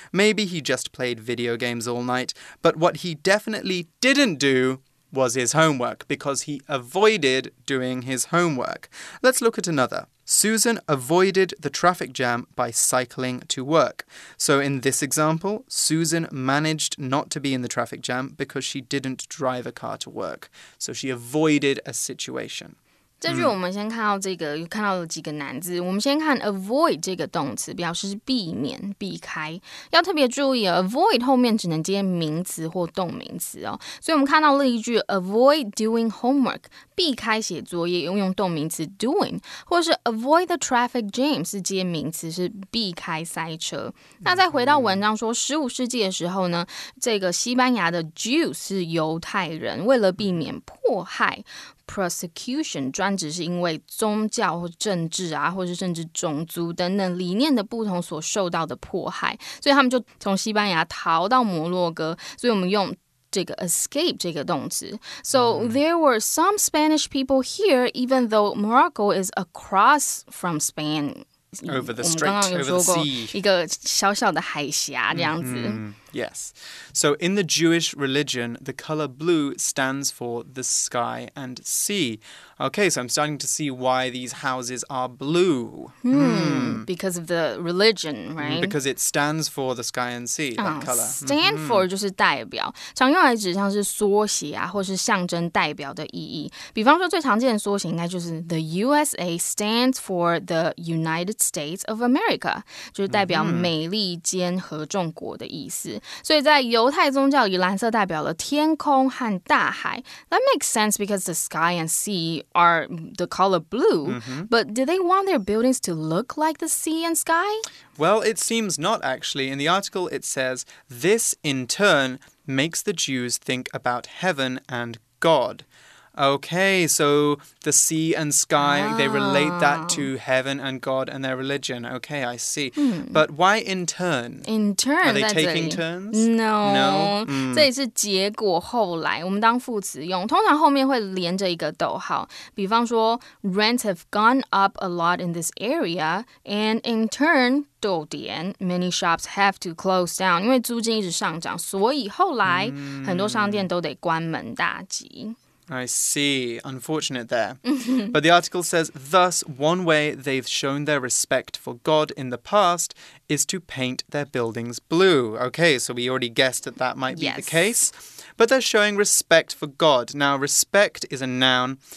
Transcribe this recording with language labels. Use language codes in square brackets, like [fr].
[en] Maybe he just played video games all night. But what he definitely didn't do was his homework, because he avoided doing his homework. Let's look at another. Susan avoided the traffic jam by cycling to work. So in this example, Susan managed not to be in the traffic jam because she didn't drive a car to work. So she avoided a situation. [zh] 这句我们先看到这个，看到了几个难字。我们先看 avoid 这个动词，表示避免、避开。要特别注意 ，avoid 后面只能接名词或动名词哦。所以我们看到了一句 [en] avoid doing homework， [zh] 避开写作业，用动名词 doing， 或是 [en] avoid the traffic jam [zh] 是接名词，是避开塞车。那再回到文章说，15世纪的时候呢，这个西班牙的 Jew 是犹太人，为了避免迫害。 Prosecution 专指是因为宗教或政治啊，或是甚至种族等等理念的不同所受到的迫害，所以他们就从西班牙逃到摩洛哥。所以我们用这个 escape 这个动词。 [en] So there were some Spanish people here, even though Morocco is across from Spain. Over the strait, over the sea. [zh] 一个小小的海峡这样子。 Mm-hmm. [en] Yes. So in the Jewish religion, the color blue stands for the sky and sea. Okay, so I'm starting to see why these houses are blue. Because of the religion, right? Because it stands for the sky and sea, that color. [zh] Stand for 就是代表，常用来指像是缩写啊，或是象征代表的意义。比方说最常见的缩写应该就是 [en] the USA stands for the United States of America, [zh] 就是代表美丽坚合众国的意思。所以在犹太宗教里，蓝色代表了天空和大海。 [en] That makes sense because the sky and sea are the color blue. Mm-hmm. But do they want their buildings to look like the sea and sky? Well, it seems not, actually. In the article, it says, this, in turn, makes the Jews think about heaven and God. Okay, so the sea and sky, they relate that to heaven and God and their religion. Okay, I see. But why in turn? In turn, are they taking turns? No. [zh] 这里是结果后来，我们当副词用，通常后面会连着一个逗号。比方说 [en] ，rent have gone up a lot in this area, and in turn. Many shops have to close down. [zh] 因为租金一直上涨，所以后来很多商店都得关门大吉。 [en] I see. Unfortunate there. But the article says, thus, one way they've shown their respect for God in the past is to paint their buildings blue. Okay, so we already guessed that that might be the case. but they're showing respect for God. Now, respect is a noun.